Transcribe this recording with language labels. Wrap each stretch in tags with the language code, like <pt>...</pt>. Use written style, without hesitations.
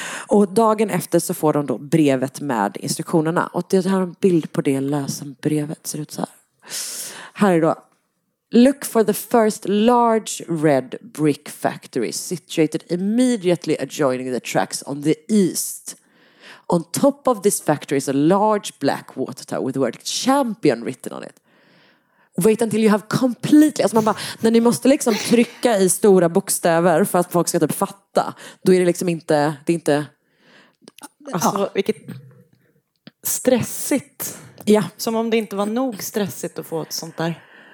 <sv>Och dagen efter så får de då brevet med instruktionerna. Och det här är en bild på det lösenbrevet. Ser ut så här. Här är då.</sv> <en>Look for the first large red brick factory situated immediately adjoining the tracks on the east. On top of this factory is a large black water tower with the word champion written on it. Wait until you have completely...</en> <sv>Alltså man bara, när ni måste liksom trycka i stora bokstäver för att folk ska typ fatta, då är det liksom inte... Det är inte... Alltså, vilket stressigt. Ja. Som om det inte var nog stressigt att få ett sånt där.</sv>